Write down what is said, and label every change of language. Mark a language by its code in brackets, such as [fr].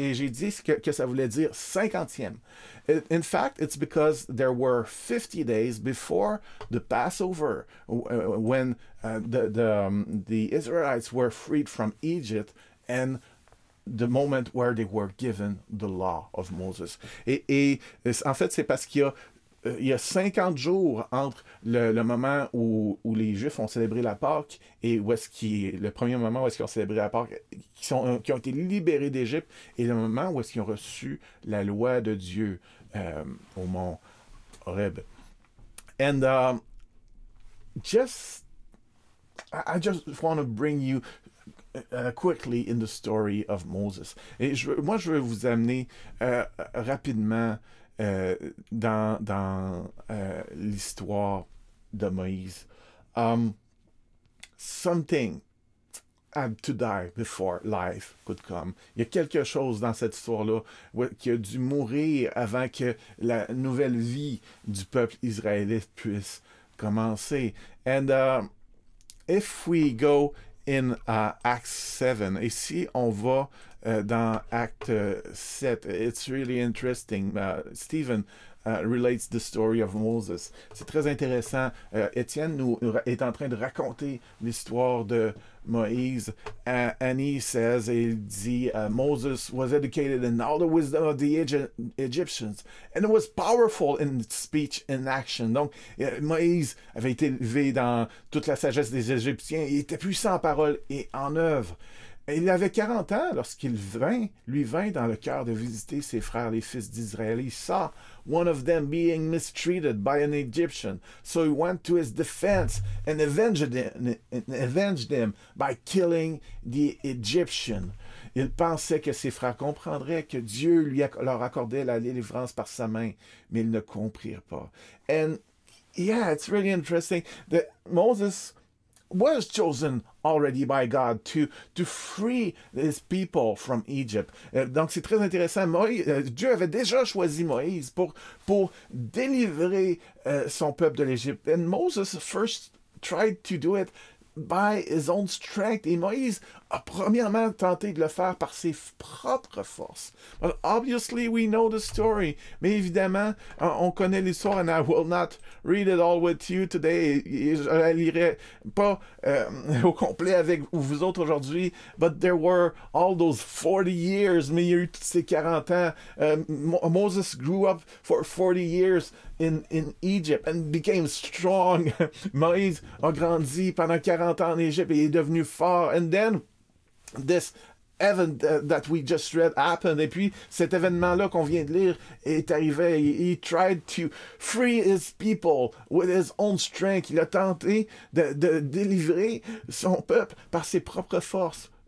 [fr] Et j'ai dit que ça voulait dire 50e. [en] In fact, it's because there were 50 days before the Passover, when the Israelites were freed from Egypt and the moment where they were given the law of Moses. [fr] Et en fait, c'est parce qu'il y a 50 jours entre le moment où les Juifs ont célébré la Pâque et où est-ce qu'ils, le premier moment où est-ce qu'ils ont célébré la Pâque, qui ont été libérés d'Égypte, et le moment où est-ce qu'ils ont reçu la loi de Dieu au mont Horeb. [en] And I just want to bring you quickly in the story of Moses. [fr] Et moi, je veux vous amener rapidement dans l'histoire de Moïse. [en] Something had to die before life could come. [fr] Il y a quelque chose dans cette histoire-là qui a dû mourir avant que la nouvelle vie du peuple israélite puisse commencer. [en] And if we go in Acts 7. [fr] Ici, on va dans Acte 7. [en] It's really interesting. Stephen relates the story of Moses. [fr] C'est très intéressant. Étienne nous est en train de raconter l'histoire de Moïse. [en] And he says, [fr] il dit, [en] Moses was educated in all the wisdom of the Egyptians and was powerful in speech and action. [fr] Donc, Moïse avait été élevé dans toute la sagesse des Égyptiens. Il était puissant en parole et en œuvre. Et il avait 40 ans lorsqu'il vint, lui vint dans le cœur de visiter ses frères, les fils d'Israël. [en] Il saw one of them being mistreated by an Egyptian. So he went to his defense and avenged him by killing the Egyptian. [fr] Il pensait que ses frères comprendraient que Dieu leur accordait la délivrance par sa main, mais ils ne comprirent pas. [en] And yeah, it's really interesting that Moses was chosen already by God to free his people from Egypt. [fr] Donc c'est très intéressant. Dieu avait déjà choisi Moïse pour délivrer son peuple de l'Égypte. [en] And Moses first tried to do it by his own strength. [fr] Et Moïse a premièrement tenté de le faire par ses propres forces. [en] But obviously we know the story. [fr] Mais évidemment, on connaît l'histoire [en] and I will not read it all with you today. [fr] Je ne lirai pas au complet avec vous autres aujourd'hui. [en] But there were all those 40 years. [fr] Mais il y a eu toutes ces 40 ans. [en] Moses grew up for 40 years in Egypt and became strong. [fr] Moïse a grandi pendant 40 ans en Égypte et est devenu fort. [en] And then this event that we just read happened. [fr] Et puis, cet événement-là qu'on vient de lire est arrivé. [en] He tried to free his people with his own strength. [fr] Il a tenté de délivrer son peuple par ses propres forces.